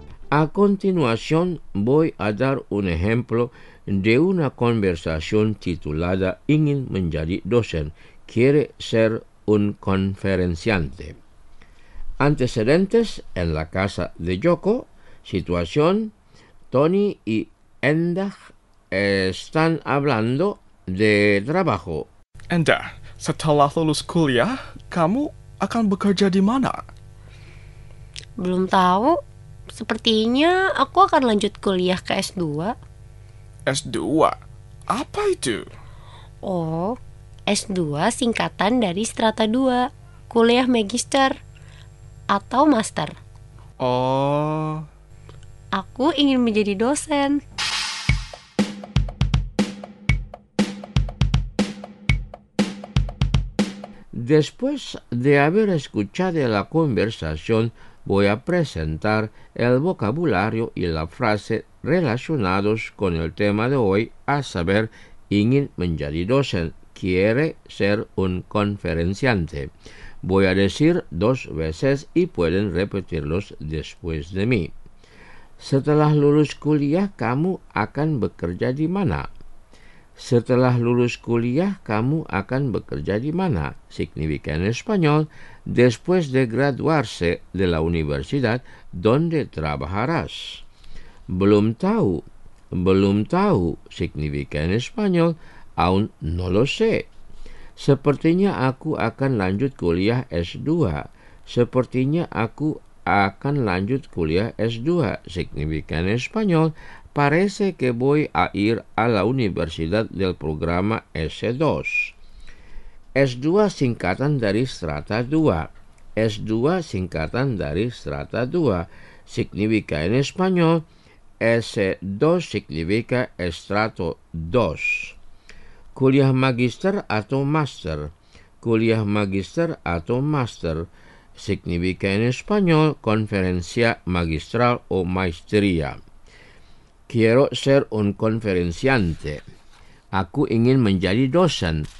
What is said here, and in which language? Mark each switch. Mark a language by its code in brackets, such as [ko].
[es] A continuación voy a dar un ejemplo de una conversación titulada [id] Ingin Menjadi Dosen, [es] quiere ser un conferenciante. Antecedentes en la casa de Yoko. Situación: Tony y Endah están hablando de trabajo. [id] Endah, setelah lulus kuliah, kamu akan bekerja di mana? Belum tahu. Sepertinya aku akan lanjut kuliah ke S2. S2? Apa itu? Oh, S2 singkatan dari strata 2, kuliah magister atau master. Oh. Aku ingin menjadi dosen. [es] Después de haber escuchado la conversación, voy a presentar el vocabulario y la frase relacionados con el tema de hoy, a saber, [id] ingin menjadi dosen, [es] quiere ser un conferenciante. Voy a decir dos veces y pueden repetirlos después de mí. [id] Setelah lulus kuliah, kamu akan bekerja di mana? Setelah lulus kuliah, kamu akan bekerja di mana? [es] Significa en español, después de graduarse de la universidad, ¿dónde trabajarás? [id] Belum tahu. Belum tahu [es] significa en español, aún no lo sé. [id] Sepertinya aku akan lanjut kuliah S2. Sepertinya aku akan lanjut kuliah S2 [es] significa en español, parece que voy a ir a la universidad del programa S2. [id] S2 singkatan dari strata 2. S2 singkatan dari strata 2 [es] significa en español, S2 significa estrato 2. [id] Kuliah magister atau master. Kuliah magister atau master [es] significa en español conferencia magistral o maestría. Quiero ser un conferenciante. [id] Aku ingin menjadi dosen.